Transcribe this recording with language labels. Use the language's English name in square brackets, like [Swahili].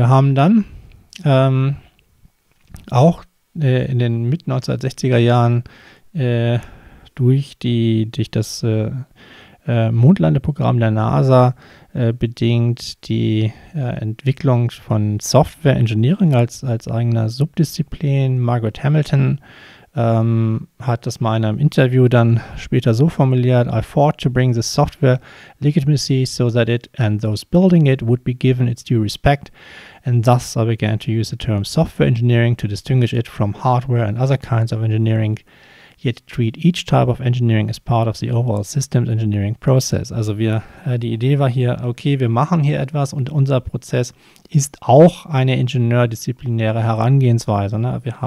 [German] Wir haben dann auch in den Mitte-1960er Jahren durch das Mondlandeprogramm der NASA bedingt die Entwicklung von Software Engineering als eigener Subdisziplin. Margaret Hamilton hat das mal in einem Interview dann später so formuliert: [English] I fought to bring the software legitimacy so that it and those building it would be given its due respect, and thus I began to use the term software engineering to distinguish it from hardware and other kinds of engineering, yet treat each type of engineering as part of the overall systems engineering process. [German] Also die Idee war hier, okay, wir machen hier etwas und unser Prozess ist auch eine ingenieurdisziplinäre Herangehensweise. Ne?